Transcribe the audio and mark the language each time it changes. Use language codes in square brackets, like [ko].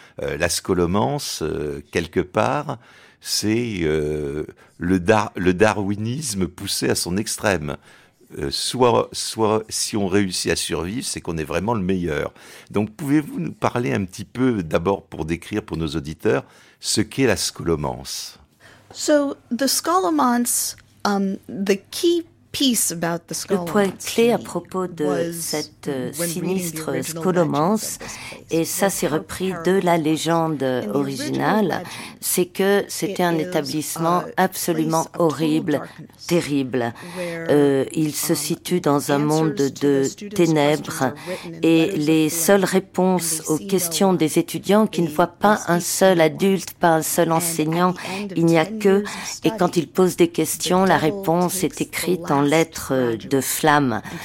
[fr] La scolomance, quelque part, c'est le darwinisme poussé à son extrême. Soit si on réussit à survivre, c'est qu'on est vraiment le meilleur. Donc pouvez-vous nous parler un petit peu, d'abord pour décrire pour nos auditeurs, ce qu'est la scolomance? [en] So the scolomance, the key piece about the scolomance. [fr] Le point clé à propos de cette sinistre scolomance, et ça c'est repris de la légende originale, c'est que c'était un établissement absolument horrible, terrible. Il se situe dans un monde de ténèbres, et les seules réponses aux questions des étudiants qui ne voient pas un seul adulte, pas un seul enseignant, il n'y a que, et quand ils posent des questions, la réponse est écrite en lettre de flamme.